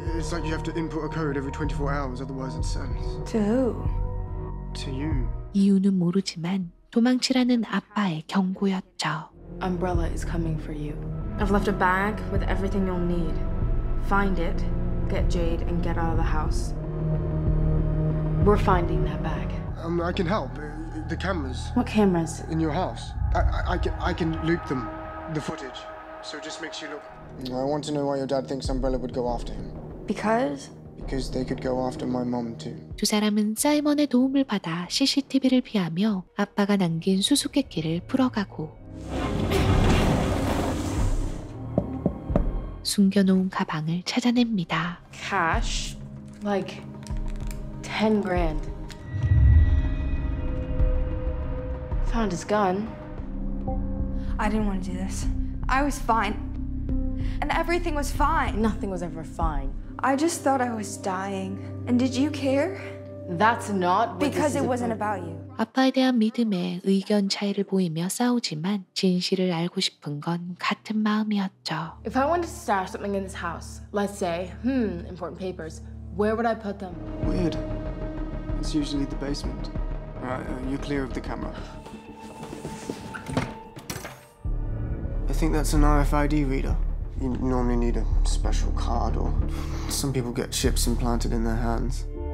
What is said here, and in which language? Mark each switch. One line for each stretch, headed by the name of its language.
English: It's like you have to input a code every 24 hours, otherwise it sends. To who? To you.
Korean: 이유는 모르지만 도망치라는 아빠의 경고였죠.
English: Umbrella is coming for you. I've left a bag with everything you'll need. Find it, get Jade, and get out of the house. We're finding that bag. I can help. The cameras. What cameras? In your house. I can loop them, the footage. So it just makes you look. I want to know why your dad thinks Umbrella would go after him. Because? Because they could go after my mom too.
Korean: 두 사람은 사이먼의 도움을 받아 CCTV를 피하며 아빠가 남긴 수수께끼를 풀어가고 숨겨놓은 가방을 찾아냅니다.
English: Cash? Like 10 grand. Found his gun. I didn't want to do this. I was fine. And everything was fine. Nothing was ever fine. I just thought I was dying. And did you care? That's not because it wasn't about you.
Korean: 아빠에 대한 믿음에 의견 차이를 보이며 싸우지만 진실을 알고 싶은 건 같은 마음이었죠.
English: If I wanted to stash something in this house, let's say, important papers, where would I put them? Weird. It's usually the basement. You're clear of the camera. I think that's an RFID reader. You normally need a special card or some people get chips implanted in their hands.